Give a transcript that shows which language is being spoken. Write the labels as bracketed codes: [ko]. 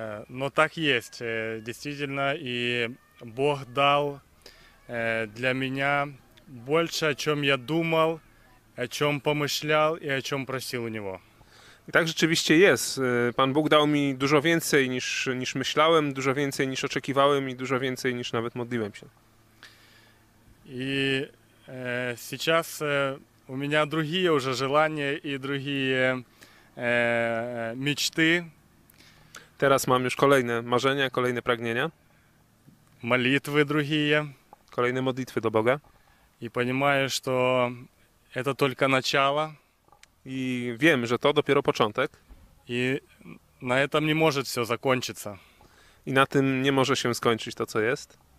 [pl] No tak jest, [ru] действительно, [pl] i Bóg dał dla mnie [ru] больше, о чем я думал, о чем помышлял и о чем просил у него. [pl] I tak rzeczywiście jest. Pan Bóg dał mi dużo więcej niż myślałem, dużo więcej niż oczekiwałem i dużo więcej niż nawet modliłem się. [ru] И сейчас у меня другие уже желания и другие мечты. [pl] Teraz mam już kolejne marzenia, kolejne pragnienia. [ru] Молитвы другие. [pl] Kolejne modlitwy do Boga. [ru] И понимаю, что это только начало. [pl] I wiem, że to dopiero początek. [ru] И на этом не может все закончиться. [pl] I na tym nie może się skończyć to, co jest.